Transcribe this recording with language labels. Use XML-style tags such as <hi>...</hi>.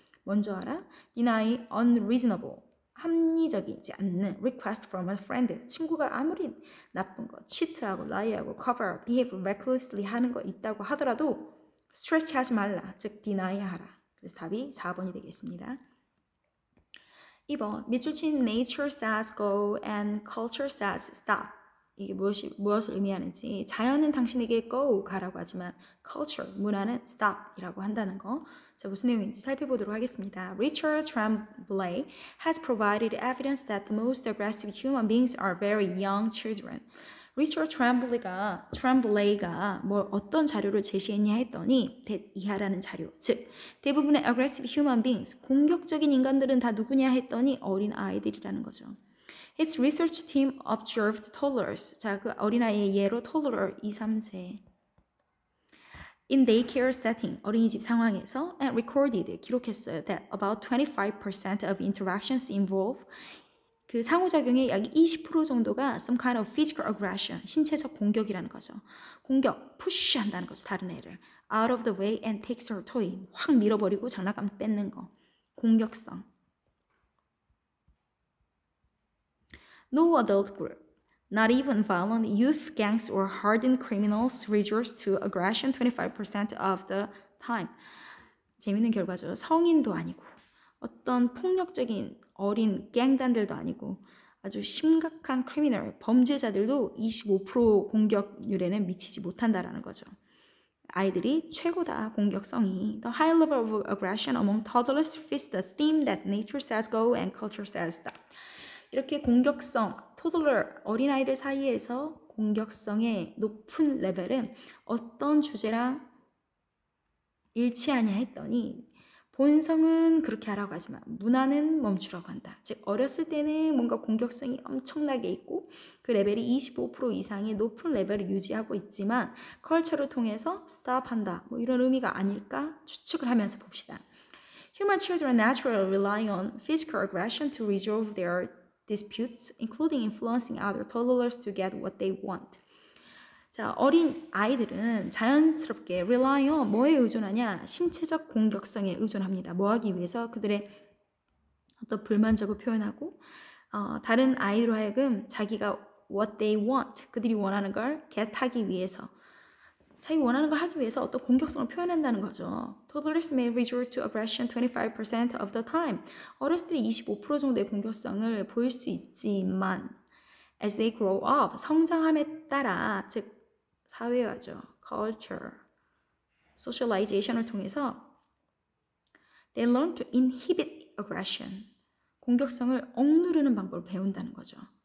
<ko>먼저 알아. 이 나이 unreasonable, 합리적이지 않는</ko> <en>request from a friend.</en> <ko>친구가 아무리 나쁜 거, cheat하고 lie하고 cover,</ko> <en>behave recklessly</en> <ko>하는 거 있다고 하더라도 stretch 하지 말라. 즉, deny 하라. 그래서 답이 4번이 되겠습니다. 2번, 밑줄 친</ko> <en>nature says go and culture says stop.</en> <ko>이게 무엇을 의미하는지 자연은 당신에게 go 가라고 하지만 culture, 문화는 stop 이라고 한다는 거 자, 무슨 내용인지 살펴보도록 하겠습니다.</ko> <en>Richard Tremblay has provided evidence that the most aggressive human beings are very young children.</en> <ko>Richard Tremblay가 뭐 어떤 자료를 제시했냐 했더니 이하라는 자료, 즉 대부분의</ko> <en>aggressive human beings,</en> <ko>공격적인 인간들은 다 누구냐 했더니 어린 아이들이라는 거죠.</ko> <en>His research team observed toddlers.</en> <ko>자, 그 어린아이의 예로</ko> <en>toddler 2, 3세. In daycare setting,</en> <ko>어린이집 상황에서</ko> <en>and recorded,</en> <ko>기록했어요.</ko> <en>That about 25% of interactions involve</en> <ko>그 상호작용의 약 20% 정도가</ko> <en>some kind of physical aggression,</en> <ko>신체적 공격이라는 거죠. 공격, push 한다는 거죠, 다른 애를.</ko> <en>out of the way and takes her toy.</en> <ko>확 밀어버리고 장난감 뺏는 거. 공격성.</ko> <en>No adult group, not even violent youth gangs or hardened criminals resort to aggression 25% of the time.</en> <ko>재밌는 결과죠. 성인도 아니고 어떤 폭력적인 어린 갱단들도 아니고 아주 심각한 크리미널, 범죄자들도 25% 공격률에는 미치지 못한다라는 거죠. 아이들이 최고다, 공격성이.</ko> <en>The high level of aggression among toddlers fits the theme that nature says go and culture says stop.</en> <ko>이렇게 공격성, toddler, 어린아이들 사이에서 공격성의 높은 레벨은 어떤 주제랑 일치하냐 했더니 본성은 그렇게 하라고 하지만 문화는 멈추라고 한다. 즉 어렸을 때는 뭔가 공격성이 엄청나게 있고 그 레벨이 25% 이상의 높은 레벨을 유지하고 있지만 컬처를 통해서 스탑한다. 뭐 이런 의미가 아닐까 추측을 하면서 봅시다.</ko> <en>Human children naturally rely on physical aggression to resolve their disputes, including influencing other toddlers to get what they want.</en> <ko>자, 어린 아이들은 자연스럽게</ko> <en>rely on</en> <ko>뭐에 의존하냐? 신체적 공격성에 의존합니다. 뭐 하기 위해서 그들의 어떤 불만적을 표현하고 다른 아이로 하여금 자기가</ko> <en>what they want,</en> <ko>그들이 원하는 걸 get 하기 위해서 자기 원하는 걸 하기 위해서 어떤 공격성을 표현한다는 거죠.</ko> <en>Toddlers may resort to aggression 25% of the time.</en> <ko>어렸을 때 25% 정도의 공격성을 보일 수 있지만</ko> <en>As they grow up,</en> <ko>성장함에 따라, 즉 사회화죠, culture, socialization을 통해서</ko> <en>they learn to inhibit aggression,</en> <ko>공격성을 억누르는 방법을 배운다는 거죠.</ko>